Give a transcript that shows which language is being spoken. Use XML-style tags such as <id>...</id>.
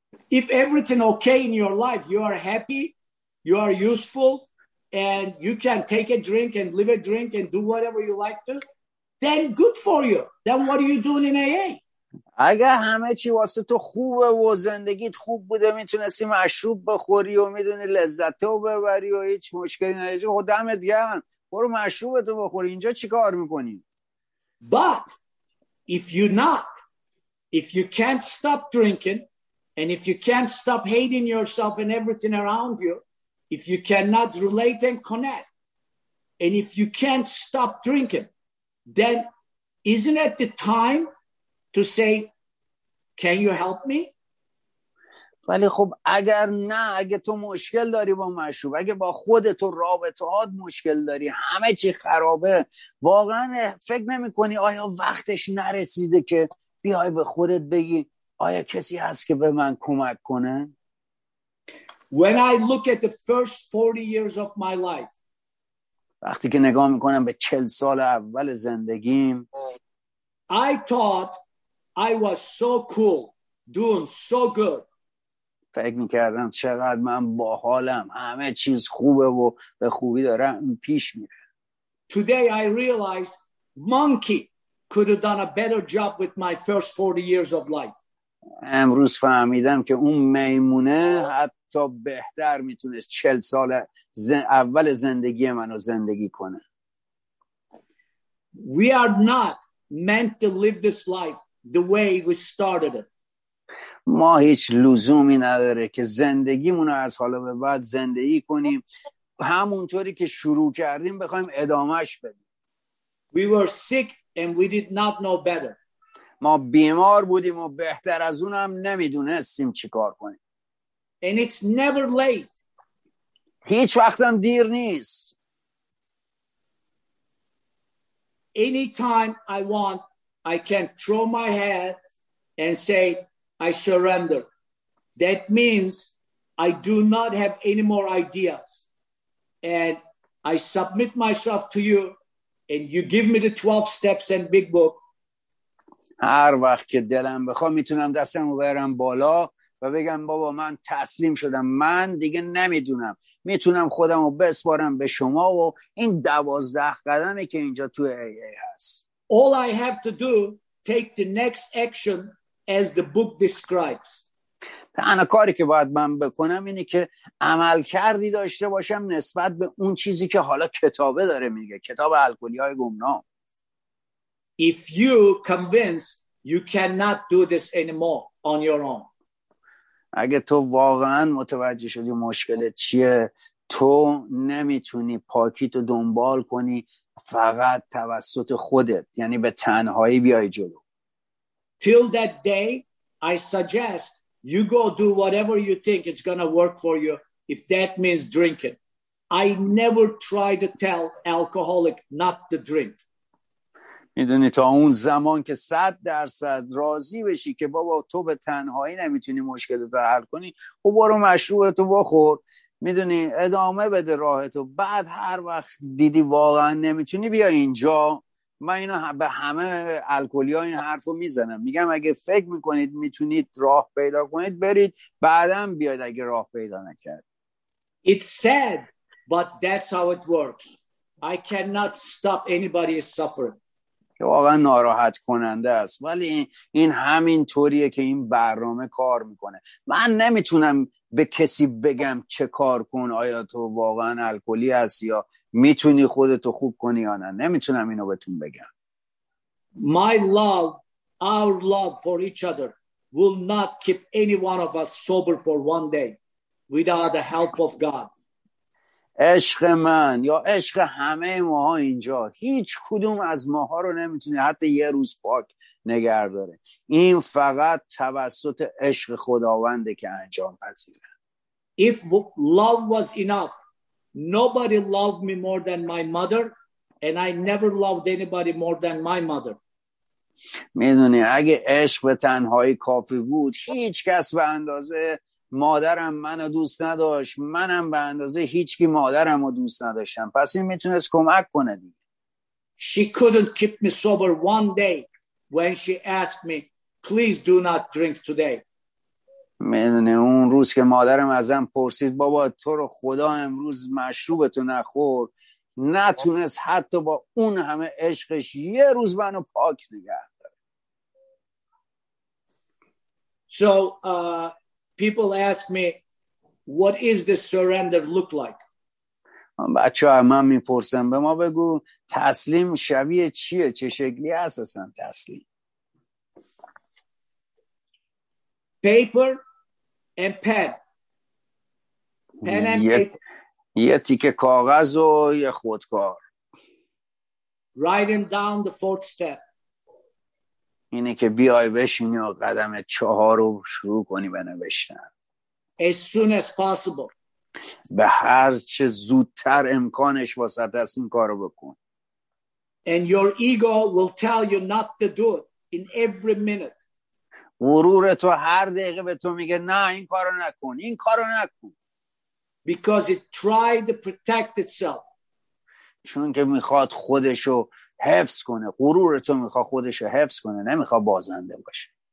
<en>If everything okay in your life, you are happy, you are useful, and you can take a drink and live a drink and do whatever you like to, then good for you. Then what are you doing in AA?</en> <fa>اگه همه چی واسه تو خوبه و زندگیت خوب بوده میتونستی مشروب بخوری و میدونی لذت رو ببری و هیچ مشکلی نداری، خب دمت گرم، برو مشروب تو بخوری، اینجا چی کار میکنی؟</fa> <en>But if you're not, if you can't stop drinking and if you can't stop hating yourself and everything around you, if you cannot relate and connect and if you can't stop drinking, then isn't it the time to say, can you help me?</en> <fa>ولی خب اگر نه، اگه تو مشکل داری با مشروب، اگه با خودت و رابطهات مشکل داری، همه چی خرابه، واقعا فکر نمی کنی آیا وقتش نرسیده که بیای به خودت بگی آیا کسی هست که به من کمک کنه؟</fa> <en>When I look at the first 40 years of my life,</en> <fa>وقتی که نگاه میکنم به 40 سال اول زندگیم،</fa> <en>I thought I was so cool, doing so good.</en> <fa>فکر میکردم چقدر من باحالم، همه چیز خوبه و به خوبی دارم پیش میره.</fa> <en>Today I realized monkey could have done a better job with my first 40 years of life.</en> <fa>امروز فهمیدم که اون میمونه حتی بهتر میتونست 40 سال اول زندگی منو زندگی کنه.</fa> <en>We are not meant to live this life the way we started it.</en> <fa>ما هیچ لزومی نداره که زندگیمون رو از حالا به بعد زندگی کنیم همونطوری که شروع کردیم بخوایم ادامهش بدیم.</fa> <en>We were sick and we did not know better.</en> <fa>ما بیمار بودیم و بهتر از اونم نمیدونستیم چیکار کنیم.</fa> <en>And it's never late.</en> <fa>هیچ وقتم دیر نیست.</fa> <en>Anytime I want I can throw my head and say I surrender. That means I do not have any more ideas. And I submit myself to you and you give me the 12 steps and big book.</en> <fa>هر وقت که دلم بخواد میتونم دستم رو برم بالا و بگم بابا من تسلیم شدم، من دیگه نمیدونم، میتونم خودم رو بسپارم به شما و این 12 قدمی که اینجا تو ای ای هست.</fa> <en>All I have to do, take the next action as the book describes.</en> <fa>تنها کاری که باید من بکنم اینه که عمل کردی داشته باشم نسبت به اون چیزی که حالا کتابه داره میگه، کتاب الکلی‌های گمنام.</fa> <en>If you convince you cannot do this anymore on your own.</en> <fa>اگه تو واقعا متوجه شدی مشکلت چیه، تو نمیتونی پاکیتو دنبال کنی فقط توسط خودت، یعنی به تنهایی بیای جلو.</fa> <en>Till that day I suggest you go do whatever you think it's gonna work for you if that means drinking. I never try to tell alcoholic not to drink.</en> <fa>میدونی تا اون زمان که 100% راضی بشی که بابا تو به تنهایی نمیتونی مشکلت رو حل کنی، خب برو مشروبتو بخور، میدونی ادامه بده راهتو، بعد هر وقت دیدی واقعا نمیتونی بیا اینجا. من اینو به همه الکلی‌ها این حرفو میزنم، میگم اگه فکر میکنید میتونید راه پیدا کنید برید، بعدم بیاید اگه راه پیدا نکرد.</fa> <en>It's sad but that's how it works. I cannot stop anybody suffering.</en> <fa>که واقعا ناراحت کننده است، ولی این همین طوریه که این برنامه کار میکنه. من نمیتونم به کسی بگم چه کار کن، آیا تو واقعا الکلی هستی یا میتونی خودتو خوب کنی یا نه، نمیتونم اینو بهتون بگم.</fa> <en>My love, our love for each other will not keep any one of us sober for one day without the help of God.</en> <fa>عشق من یا عشق همه ماها اینجا هیچ کدوم از ماها رو نمیتونه حتی یه روز پاک نگه داره، این فقط توسط عشق خداونده که انجام پذیره.</fa> <en>If love was enough, nobody loved me more than my mother and I never loved anybody more than my mother.</en> <fa>میدونی اگه عشق به تنهایی کافی بود، هیچ کس به اندازه مادرم منو دوست نداشت، منم به اندازه هیچکی مادرم رو دوست نداشتم، پس این میتونست کمک کنه دیگه.</fa> <en>She couldn't keep me sober one day when she asked me, please do not drink today.</en> <fa>میدونه اون روز که مادرم ازم پرسید بابا تو رو خدا امروز مشروبتو نخور، نتونست حتی با اون همه عشقش یه روز منو پاک نگه داره.</fa> <en>So people ask me, what is the surrender look like?</en> <fa>بچه ها من میپرسم به ما بگو تسلیم شبیه چیه؟ چه شکلی هست اصلا تسلیم؟</fa> <en>Paper and pen. Pen and</en> <fa>یه تیکه کاغذ و یه خودکار.</fa> <en>Writing down the fourth step.</en> <fa>اینه که بیای بشینی و قدم چهار رو شروع کنی به نوشتن.</fa> <en>As soon as possible.</en> <fa>به هر چه زودتر امکانش واسط است این کارو بکن.</fa> <en>And your ego will tell you not to do it in every minute.</en> <fa>غرور تو هر دقیقه به تو میگه نه این کارو نکن، این کارو نکن.</fa> <en>Because it tried to protect itself.</en> <fa>چون که میخواد خودشو حفظ کنه. غرور تو میخواد خودشو حفظ کنه، نمیخواد بازنده باشه.</fa>